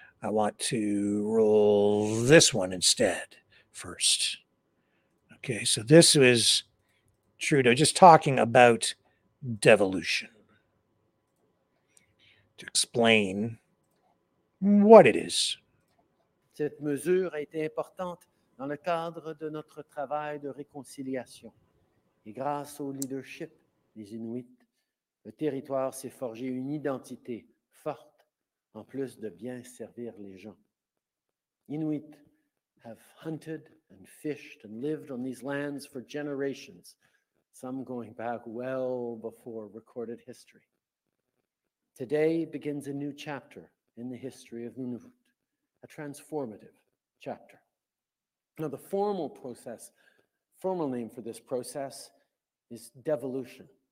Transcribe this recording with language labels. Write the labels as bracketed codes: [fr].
[en] I want to roll this one instead first. Okay, so this is Trudeau just talking about devolution to explain what it is. [fr] Cette mesure a été importante dans le cadre de notre travail de réconciliation. Et grâce au leadership des Inuits, le territoire s'est forgé une identité forte, en plus de bien servir les gens. [en] Inuit have hunted and fished and lived on these lands for generations, some going back well before recorded history. Today begins a new chapter in the history of Nunavut. A transformative chapter. Now, the formal name for this process is devolution.